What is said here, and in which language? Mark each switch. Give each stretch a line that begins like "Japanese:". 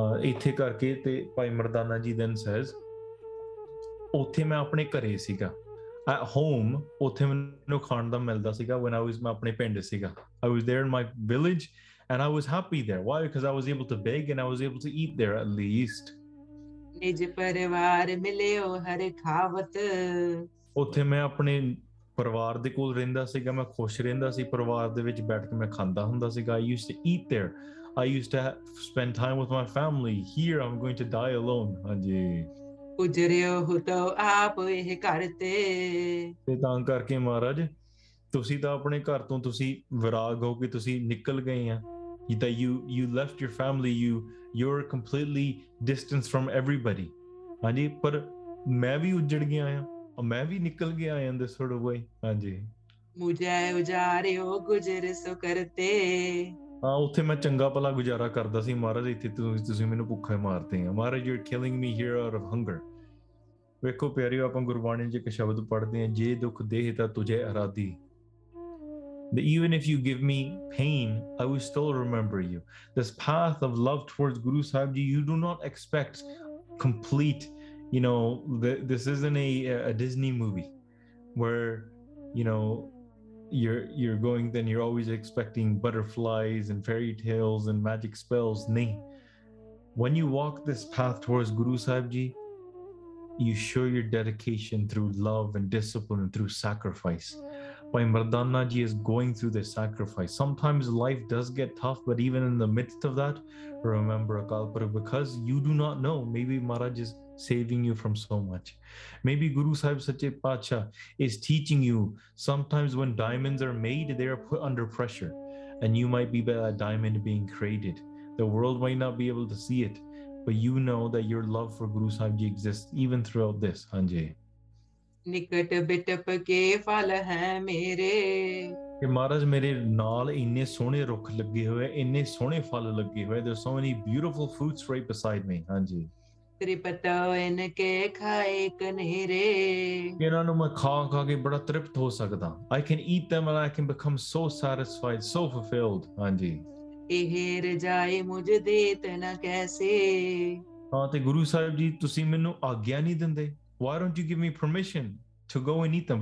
Punjabi: ਇੱਥੇ ਕਰਕੇ ਤੇ ਭਾਈ ਮਰਦਾਨਾ ਜੀ
English: then says
Punjabi: ਉੱਥੇ ਮੈਂ ਆਪਣੇ ਘਰੇ ਸੀਗਾ
English: at home
Punjabi: ਉੱਥੇ ਮੈਨੂੰ ਖਾਣ ਦਾ ਮਿਲਦਾ ਸੀਗਾ
English: when I was
Punjabi: ਮੈਂ ਆਪਣੇ ਪਿੰਡ ਸੀਗਾ
English: I was there in my village And I was happy there. Why? Because I was able to beg and I was able to eat there at least.
Punjabi: ਨਿਜ ਪਰਿਵਾਰ ਮਿਲਿਓ ਹਰ ਖਾਵਤ ਉੱਥੇ ਮੈਂ ਆਪਣੇ ਪਰਿਵਾਰ ਦੇ ਕੋਲ ਰਹਿੰਦਾ ਸੀਗਾ ਮੈਂ ਖੁਸ਼ ਰਹਿੰਦਾ ਸੀ ਪਰਿਵਾਰ ਦੇ ਵਿੱਚ ਬੈਠ ਕੇ ਮੈਂ ਖਾਂਦਾ ਹੁੰਦਾ ਸੀਗਾ
English: I used to eat there. I used to spend time with my family. Here I'm going to die alone.
Punjabi: ਹਾਂਜੀ ਉਜਰਿਓ ਹੋ ਤੋ ਆਪ ਇਹ ਕਰਤੇ ਤੇ ਤਾਂ ਕਰਕੇ ਮਹਾਰਾਜ ਤੁਸੀਂ ਤਾਂ ਆਪਣੇ ਘਰ ਤੋਂ ਤੁਸੀਂ ਵਿਰਾਗ ਹੋ ਕੇ ਤੁਸੀਂ ਨਿਕਲ ਗਏ ਆ ਜਿੱਦਾਂ
English: you you left your family you your completely distance from everybody
Punjabi: ਹਾਂਜੀ ਪਰ ਮੈਂ ਵੀ ਉੱਜੜ ਗਿਆ ਆ ਮੈਂ ਵੀ ਨਿਕਲ ਗਿਆ ਆ
English: this sort of way
Punjabi: ਹਾਂਜੀ ਮੁਝੇ ਉਜਾਰਿਓ ਗੁਜ਼ਰ ਸੋ ਕਰਤੇ ਹਾਂ ਉੱਥੇ ਮੈਂ ਚੰਗਾ ਭਲਾ ਗੁਜ਼ਾਰਾ ਕਰਦਾ ਸੀ ਮਹਾਰਾਜ ਇੱਥੇ ਤੁਸੀਂ ਮੈਨੂੰ ਭੁੱਖਾ ਮਾਰਦੇ ਆ ਮਹਾਰਾਜ
English: your killing me here out of hunger
Punjabi: ਵੇਖੋ ਪਿਆਰਿਓ ਆਪਾਂ ਗੁਰਬਾਣੀ 'ਚ ਇੱਕ ਸ਼ਬਦ ਪੜ੍ਹਦੇ ਹਾਂ ਜੇ ਦੁੱਖ ਦੇਹ ਤਾਂ ਤੁਝੇ ਅਰਾਧੀ
English: That even if you give me pain, I will still remember you. This path of love towards Guru Sahib Ji, you do not expect complete, you know, this isn't a Disney movie where, you know, you're going, then you're always expecting butterflies and fairy tales and magic spells. Nay, when you walk this path towards Guru Sahib Ji, you show your dedication through love and discipline and through sacrifice. Bhai Mardana Ji is going through this sacrifice. Sometimes life does get tough, but even in the midst of that, remember Akal Purakh, because you do not know, maybe Maharaj is saving you from so much. Maybe Guru Sahib Sache Pacha is teaching you, sometimes when diamonds are made, they are put under pressure, and you might be by that diamond being created. The world might not be able to see it, but you know that your love for Guru Sahib Ji exists even throughout this, Hanjay.
Punjabi: ਨਿਕਟ ਬਿਟਪ ਕੇ ਫਲ ਹੈ ਮੇਰੇ ਮਹਾਰਾਜ ਮੇਰੇ ਨਾਲ ਇੰਨੇ ਸੋਹਣੇ ਰੁੱਖ ਲੱਗੇ ਹੋਏ ਇੰਨੇ ਸੋਹਣੇ ਫਲ ਲੱਗੇ ਹੋਏ
English: there so many beautiful fruits right beside me
Punjabi: ਹਾਂਜੀ ਤ੍ਰਿਪਤ ਇਨ ਕੇ ਖਾਏ ਕਨੇਰੇ ਇਹਨਾਂ ਨੂੰ ਮੈਂ ਖਾ ਖਾ ਕੇ ਬੜਾ ਤ੍ਰਿਪਤ ਹੋ ਸਕਦਾ
English: I can eat them and I can become so satisfied so fulfilled
Punjabi: ਹਾਂਜੀ ਇਹ ਰਜਾਏ ਮੁਝ ਦੇ ਤਨਾ ਕੈਸੇ ਹਾਂ ਤੇ ਗੁਰੂ ਸਾਹਿਬ ਜੀ ਤੁਸੀਂ ਮੈਨੂੰ ਆਗਿਆ ਨਹੀਂ ਦਿੰਦੇ
English: Why don't you give me permission to go and eat them?